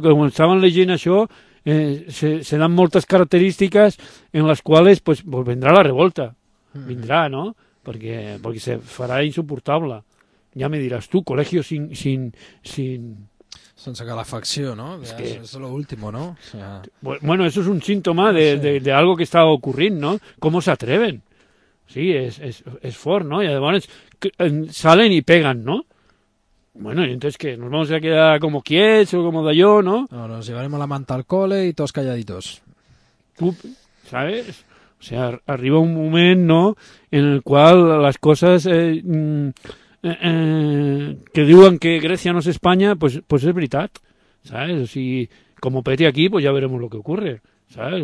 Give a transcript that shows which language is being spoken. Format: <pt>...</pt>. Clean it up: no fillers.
<ca>Quan estaven llegint això, se dan moltes característiques en les quals pues vendrà la revolta, vindrà, no? Perquè se farà insuportable. Ja me diràs tu, col·legio sin sense calefacció, no? És que... és lo último, no?</ca> <es>O sea... Bueno, eso es un síntoma de algo que está ocurriendo, ¿no? ¿Cómo se atreven? Sí, es fort, ¿no? Y además salen y pegan, ¿no? Bueno, y entonces que nos vamos a quedar como quiets o como d'allò, ¿no? No, nos llevaremos la manta al cole y todos calladitos. Tú, ¿sabes?</es> <ca>O sea, arriba un moment, ¿no?</ca> <es>En el cual las cosas...</es> <ca>que diuen que Grècia no és Espanya, pues és veritat, ¿sabes? O sigui, com peti aquí, pues ja veremos lo que ocurre, ¿sabes?</ca>